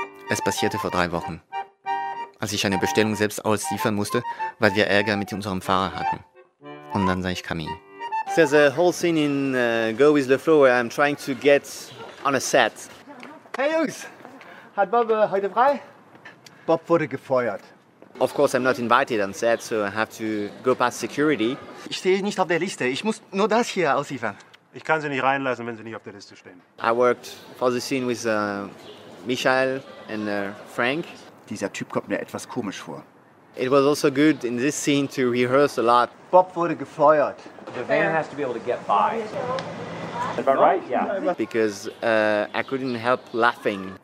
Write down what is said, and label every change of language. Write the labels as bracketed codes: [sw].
[de] Es passierte vor 3 Wochen, als ich eine Bestellung selbst ausliefern musste, weil wir Ärger mit unserem Fahrer hatten. Und dann sah ich Camille. [en] There's a whole scene in Go With The Flow where I'm trying to get on a set. [de] Hey Jungs, hat Bob heute frei? Bob wurde gefeuert. [en] Of course I'm not invited on set, so I have to go past security. [de] Ich stehe nicht auf der Liste, ich muss nur das hier ausliefern. Ich kann Sie nicht reinlassen, wenn Sie nicht auf der Liste stehen. [en] I worked for the scene with Michael and Frank. [de] Dieser Typ kommt mir etwas komisch vor. [en] It was also good in this scene to rehearse a lot. [de] Bob wurde gefeuert. [en] The van has to be able to get by. Is that right? Yeah. Because I couldn't help laughing.